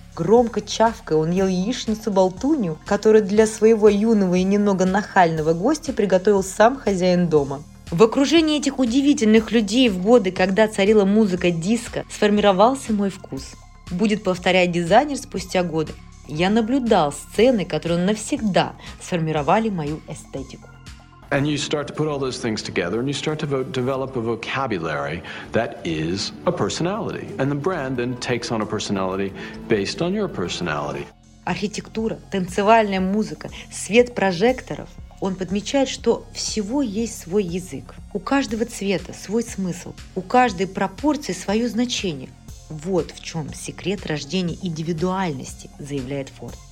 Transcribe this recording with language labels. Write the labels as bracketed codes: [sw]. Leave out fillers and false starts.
[ru] Громко чавкая, он ел яичницу-болтунью, которую для своего юного и немного нахального гостя приготовил сам хозяин дома. В окружении этих удивительных людей в годы, когда царила музыка диско, сформировался мой вкус. Будет повторять дизайнер спустя годы. Я наблюдал сцены, которые навсегда сформировали мою эстетику. [en] And you start to put all those things together and you start to develop a vocabulary that is a personality. And the brand then takes on a personality based on your personality. [ru] Архитектура, танцевальная музыка, свет прожекторов. Он подмечает, что всего есть свой язык. У каждого цвета свой смысл. У каждой пропорции свое значение. Вот в чем секрет рождения индивидуальности, заявляет Форд.